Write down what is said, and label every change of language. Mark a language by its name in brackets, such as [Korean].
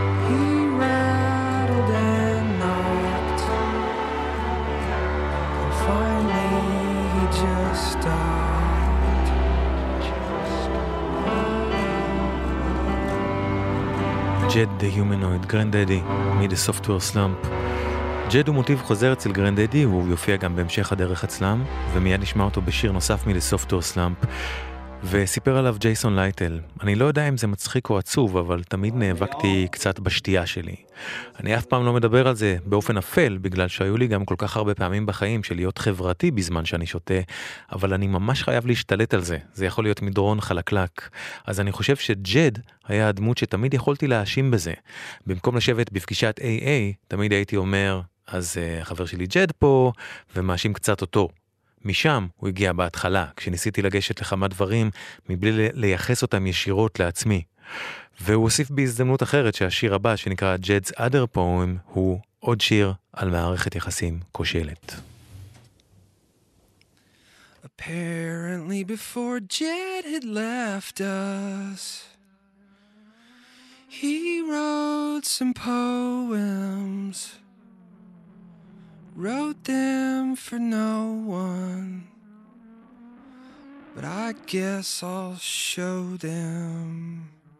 [English] He rattled and knocked. And finally he just stopped. Jed the humanoid, Grandaddy, made a software slump. [Hebrew] ג'ד הוא מוטיב חוזר אצל גרנדדי, הוא יופיע גם בהמשך הדרך אצלם, ומיד נשמע אותו בשיר נוסף מלסופטוור סלאמפ, וסיפר עליו ג'ייסון לייטל. אני לא יודע אם זה מצחיק או עצוב, אבל תמיד נאבקתי קצת בשתייה שלי. אני אף פעם לא מדבר על זה באופן אפל, בגלל שהיו לי גם כל כך הרבה פעמים בחיים של להיות חברתי בזמן שאני שותה, אבל אני ממש חייב להשתלט על זה, זה יכול להיות מדרון חלקלק. אז אני חושב שג'ד היה הדמות שתמיד יכולתי להאשים בזה. במקום לשבת בפגישת AA, תמיד הייתי אומר, אז חבר שלי ג'ד פה, ומאשים קצת אותו. משם הוא הגיע בהתחלה, כשניסיתי לגשת לכמה דברים, מבלי לייחס אותם ישירות לעצמי. והוא הוסיף בהזדמנות אחרת שהשיר הבא, שנקרא Jed's Other Poem, הוא עוד שיר על מערכת יחסים כושלת. [English] Apparently before Jed had left us, he wrote some poems. Wrote them for no one, but I guess I'll show them.